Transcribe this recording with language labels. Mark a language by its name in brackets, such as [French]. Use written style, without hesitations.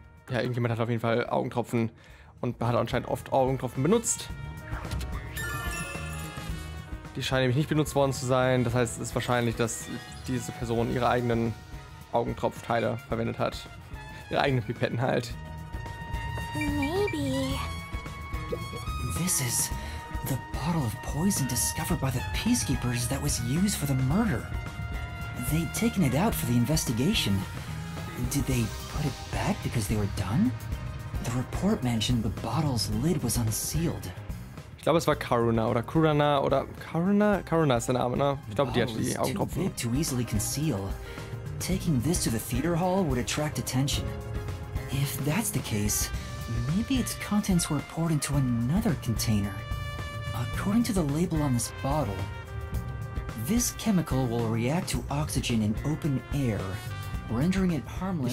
[German] Ja, irgendjemand hat auf jeden Fall Augentropfen und hat anscheinend oft Augentropfen benutzt. Die scheinen nämlich nicht benutzt worden zu sein. Das heißt, es ist wahrscheinlich, dass diese Person ihre eigenen Augentropfteile verwendet hat. Ihre eigenen Pipetten halt. [English] Maybe. This is the bottle of poison discovered by the peacekeepers that was used for the murder. They'd taken it out for the investigation. Did they put it back because they were done? The report mentioned the bottle's lid was unsealed. [German] Ich glaube, es war Karuna oder Kurana oder Karuna? Karuna ist der Name, ne? Ich glaube, die hat die Augentropfen. [English] Too big to easily conceal. Taking this to the theater hall would attract attention. If that's the case, maybe its contents were poured into another container. According to the label on this bottle, this chemical will react to oxygen in open air, rendering it harmless.